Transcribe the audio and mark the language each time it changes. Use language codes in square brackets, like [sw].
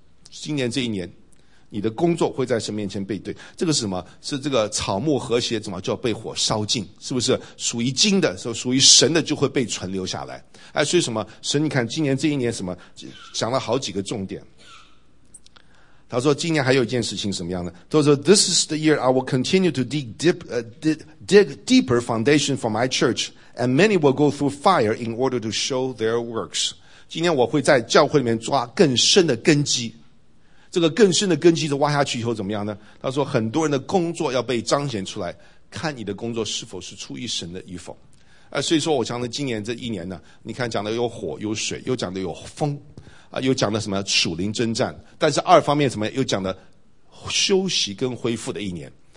[zh] 今年这一年你的工作会在神面前被对。这个是什么？是这个草木和谐怎么就要被火烧尽，是不是？属于金的，属于神的就会被存留下来。哎，所以什么？神，你看今年这一年什么，讲了好几个重点。他说今年还有一件事情什么样的？他说 [en] This is the year I will continue to dig deeper foundation for my church, and many will go through fire in order to show their works. [zh] 今年我会在教会里面抓更深的根基。这个更深的根基的挖下去以后怎么样呢？他说很多人的工作要被彰显出来，看你的工作是否是出于神的与否。所以说我讲的今年这一年呢，你看讲的有火有水，又讲的有风，又讲的什么属灵征战，但是二方面什么又讲的休息跟恢复的一年。